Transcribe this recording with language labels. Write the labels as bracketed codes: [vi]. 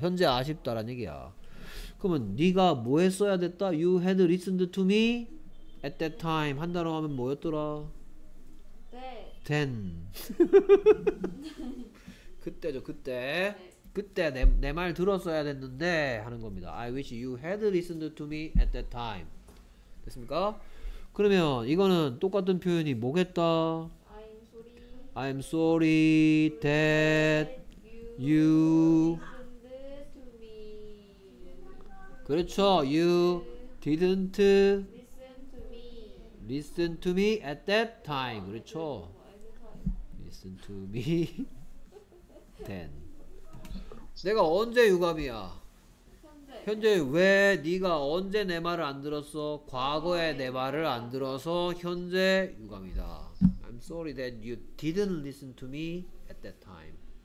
[ko] 현재 아쉽다라는 얘기야. 그러면 네가 뭐 했어야 됐다? [en] You had listened to me at that time. [ko] 한 단어 하면 뭐였더라? [en] ten. [ko] 그때죠, 그때. 네. 그때 내 말 들었어야 됐는데 하는 겁니다. [en] I wish you had listened to me at that time. [ko] 됐습니까? 그러면 이거는 똑같은 표현이 뭐겠다? [en] I'm sorry that you listened to me. 그렇죠. You didn't listen to me at that time. 그렇죠. Listen to me then. [ko] 내가 언제 유감이야? 현재 왜 네가 언제 내 말을 안 들었어? 과거에 내 말을 안 들어서 현재 유감이다. [en] I'm sorry that you didn't listen to me at that time.